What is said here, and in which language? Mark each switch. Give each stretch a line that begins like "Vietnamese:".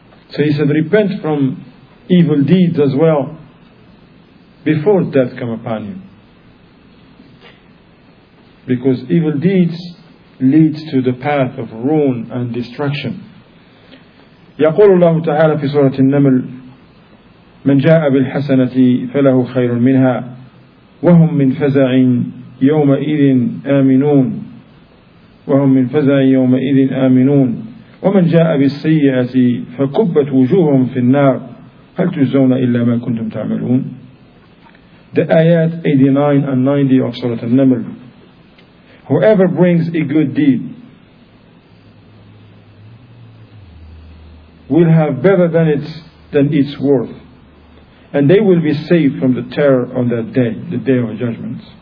English: So he said, repent from evil deeds as well before death come upon you. Because evil deeds lead to the path of ruin and destruction.
Arabic: يقول الله تعالى في سورة النمل: من جاء بالحسنة فله خير منها وهم من فزع يومئذ آمنون وهم من فزع يومئذ آمنون ومن جاء بالسيئة فكبت وجوههم في النار هل تجزون إلا ما كنتم تعملون.
English: The ayat 89 and 90 of سورة النمل. Whoever brings a good deed will have better than its worth. and they will be saved from the terror on that day, the day of judgment.